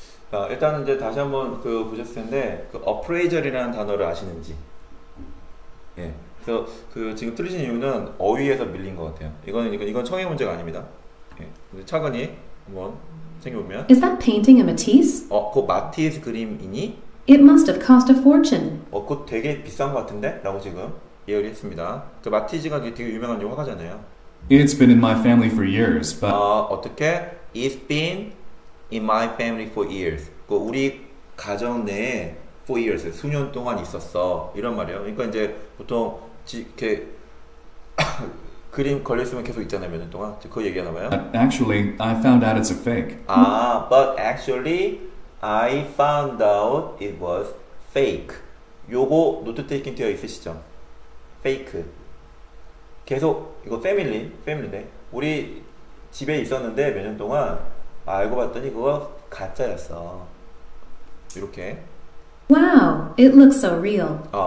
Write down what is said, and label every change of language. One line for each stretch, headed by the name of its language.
Korean: 자, 일단은 이제 다시 한번 그 보셨을 텐데 그 appraiser이라는 단어를 아시는지. 예. 그래서 그 지금 틀리신 이유는 어휘에서 밀린 것 같아요. 이건 청의 문제가 아닙니다. 예. 차근히 한번 챙겨보면
English: Is that painting a Matisse?
Korean: 그 마티스 그림이니?
English: It must have cost a fortune.
Korean: 그거 되게 비싼 것 같은데? 라고 지금 예언을 했습니다. 그 마티스가 되게 유명한 화가잖아요.
English: It's been in my family for years, but
Korean: 어떻게?
English: It's been in my family for years.
Korean: 그 우리 가정 내에
English: for years,
Korean: 수년 동안 있었어. 이런 말이에요. 그러니까 이제 보통 이렇게 그림 걸렸으면 계속 있잖아요, 몇 년 동안. 그거 얘기하나 봐요?
English: Actually, I found out it's a fake. But actually, I found out it was fake.
Korean: 요거 노트테이킹 되어 있으시죠? Fake. 계속, 이거 패밀리인데. 우리 집에 있었는데, 몇 년 동안. 알고 봤더니 그거 가짜였어. 이렇게.
English: Wow, it looks so real.